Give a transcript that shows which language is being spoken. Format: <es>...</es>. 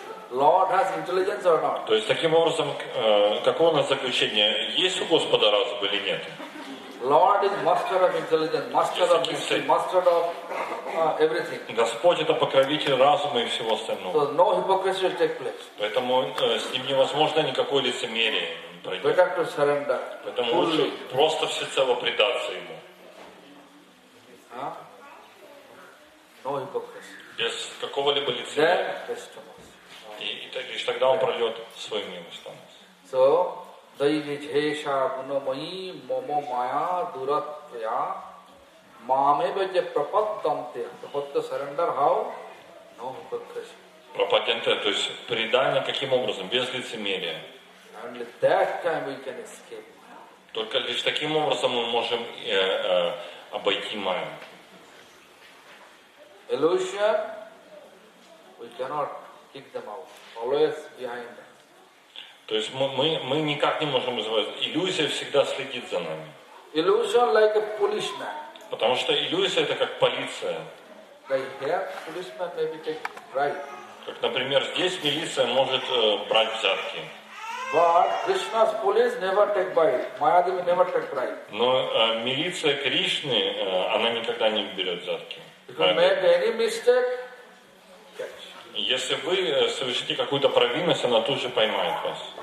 <ru>То есть таким образом, какое у нас заключение? Есть у Господа разум или нет?</ru> <en>Lord is master of intelligence, master of mystery, master of everything.</en> <ru>Господь это покровитель разума и всего остального.</ru> <en>So no hypocrisy will take place.</en> <ru>Поэтому с ним невозможно никакой лицемерие. Поэтому лучше просто всецело предаться ему. Без какого-либо лицемерия. И лишь тогда он прольет свою милость.</ru> <sa>So дайвидхеша гунамаи мамо мая дуратвая маме бадья прападанте хотта сарандар хау но хукакраси.</sa> <ru>Прападанте, то есть предание каким образом? Без лицемерия.</ru> <en>Only that time we can escape.</en> <ru>Только лишь таким образом мы можем обойти майю.</ru> <en>Illusion, we cannot kick them out. Always behind them.</en> <ru>То есть мы никак не можем избавиться. Иллюзия всегда следит за нами.</ru> <en>Illusion like a policeman.</en> <ru>Потому что иллюзия это как полиция.</ru> <en>Like here, policeman maybe take bribe.</en> <ru>Как, например, здесь милиция может брать взятки.</ru> <en>But Krishna's police never take bribe. Mayadevi never take bribe.</en> <ru>Но милиция Кришны она никогда не берет взятки.</ru> <en>If you make any mistake, catch.</en> <ru>Если вы совершите какую-то провинность, она тут же поймает вас.</ru>